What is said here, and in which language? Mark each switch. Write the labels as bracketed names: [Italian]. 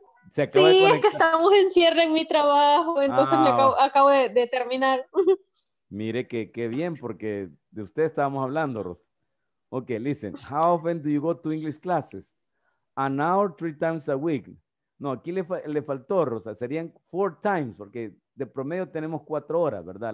[Spanish] Se acaba de conectar. Es que estamos en cierre en mi trabajo, entonces me acabo de terminar. Mire que qué bien, porque de usted estábamos hablando, Rosa. [English] Okay, listen. How often do you go to English classes? An hour, three times a week. [Spanish] No, aquí le faltó, Rosa. Serían [English] four times, [Spanish] porque de promedio tenemos 4 horas, ¿verdad?